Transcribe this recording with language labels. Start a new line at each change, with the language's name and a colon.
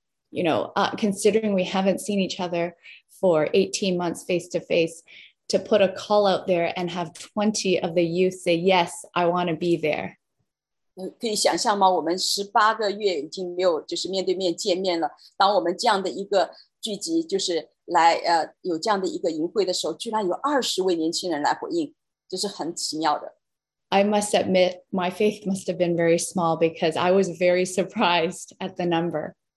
English: You know, considering we haven't seen each other for 18 months face to face, to put a call out there and have 20 of the youth say, yes, I want to be there.
Chinese: 可以想象吗？我们18个月已经没有就是面对面见面了。当我们这样的一个聚集，就是来有这样的一个营会的时候，居然有20位年轻人来回应，这是很奇妙的。
English: I must admit, my faith must have been very small because I was very surprised at the number.